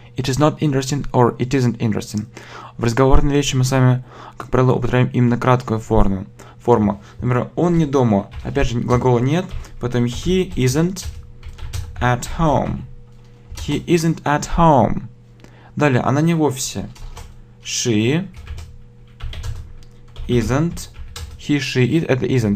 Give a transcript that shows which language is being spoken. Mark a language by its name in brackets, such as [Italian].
[English] It is not interesting or it isn't interesting. [Russian] В разговорной речи мы с вами, как правило, употребляем именно краткую форму. Например, он не дома. Опять же, глагола нет. Потом [English] he isn't at home. He isn't at home. [Russian] Далее, она не в офисе. [English] She isn't. He, she, it, [Russian] это [English] isn't.